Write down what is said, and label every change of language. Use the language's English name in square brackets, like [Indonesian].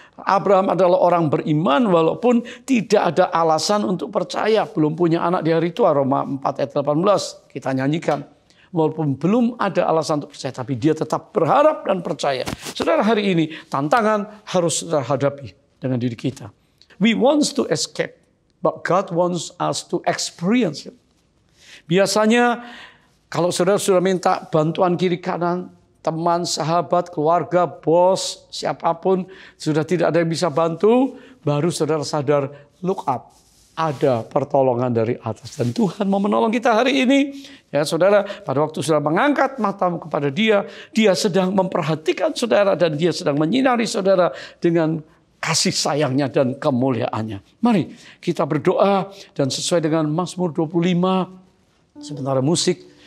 [Indonesian] Abraham adalah orang beriman walaupun tidak ada alasan untuk percaya. Belum punya anak di hari tua. Roma 4 ayat 18. Kita nyanyikan. Walaupun belum ada alasan untuk percaya. Tapi dia tetap berharap dan percaya. Saudara hari ini tantangan harus saudara hadapi dengan diri kita. [English] We wants to escape. But God wants us to experience it. [Indonesian] Biasanya kalau saudara sudah minta bantuan kiri kanan. Teman, sahabat, keluarga, bos, siapapun. Sudah tidak ada yang bisa bantu. Baru saudara sadar, look up. Ada pertolongan dari atas. Dan Tuhan mau menolong kita hari ini. Ya saudara, pada waktu saudara mengangkat matamu kepada dia. Dia sedang memperhatikan saudara. Dan dia sedang menyinari saudara dengan kasih sayangnya dan kemuliaannya. Mari kita berdoa. Dan sesuai dengan Mazmur 25. Sementara musik.